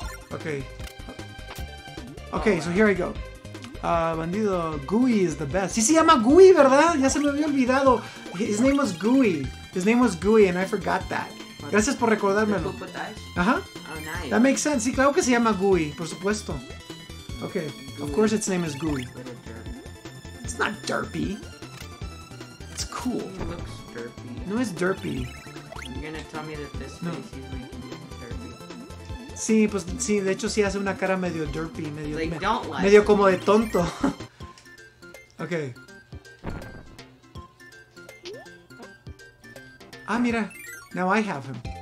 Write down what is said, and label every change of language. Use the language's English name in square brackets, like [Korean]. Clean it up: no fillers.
[English] Ok. Ok. Ok, oh, so here I go. Bandido, Gooey is the best. [Spanish] Sí, se llama Gooey, ¿verdad? Ya se me había olvidado. [English] His name was Gooey. His name was Gooey and I forgot that. [Spanish] Gracias por recordármelo. Ajá. [English] That makes sense. [Spanish] Sí, claro que se llama Gooey, por supuesto. [English] Okay, of course its name is Gooey. It's not derpy. It's cool. He looks derpy. No, it's derpy. You're gonna tell me that this face is like... [Spanish] Sí, pues sí, de hecho sí hace una cara medio derpy, medio, [English] like, me, [Spanish] medio como de tonto. Okay. Ah, mira, [English] now I have him.